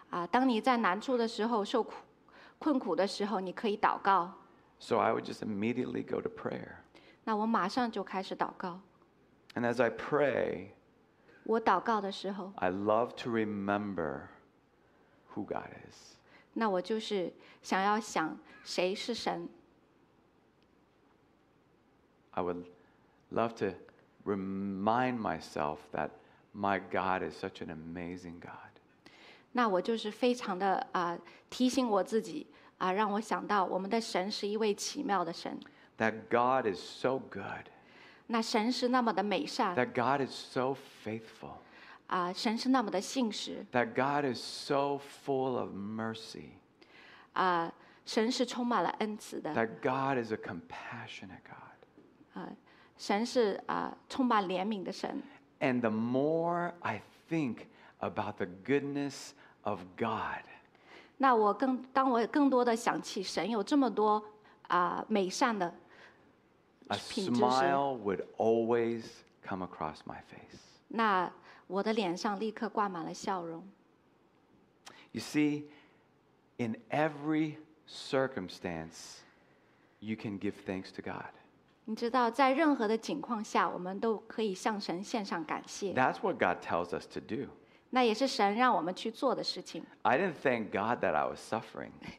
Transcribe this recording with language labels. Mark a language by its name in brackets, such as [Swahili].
[Chinese] 当你在难处的时候，受苦困苦的时候，你可以祷告。 [English] So I would just immediately go to prayer. [Chinese] 那我马上就开始祷告。 [English] And as I pray, [Chinese] 我祷告的时候 [English] I love to remember who God is. [Chinese] 那我就是想要想谁是神。 [English] I would love to remind myself that my God is such an amazing God. [Chinese] 那我就是非常的提醒我自己让我想到我们的神是一位奇妙的神。 [English] That God is so good. [Chinese] 那神是那么的美善。 [English] That God is so faithful. [Chinese] 神是那么的信实。 [English] That God is so full of mercy. [Chinese] 神是充满了恩慈的。 [English] That God is a compassionate God. [Chinese] 神是充满怜悯的神。 [English] And the more I think about the goodness of God, [Chinese] 那我更多的想起神有这么多美善的品质。 [English] A smile would always come across my face. [Chinese] 那我的脸上立刻挂满了笑容。 [English] You see, in every circumstance, you can give thanks to God. [Chinese] 你知道，在任何的情况下，我们都可以向神献上感谢。 [English] That's what God tells us to do. [Chinese] 那也是神让我们去做的事情。 [English] I didn't thank God that I was suffering.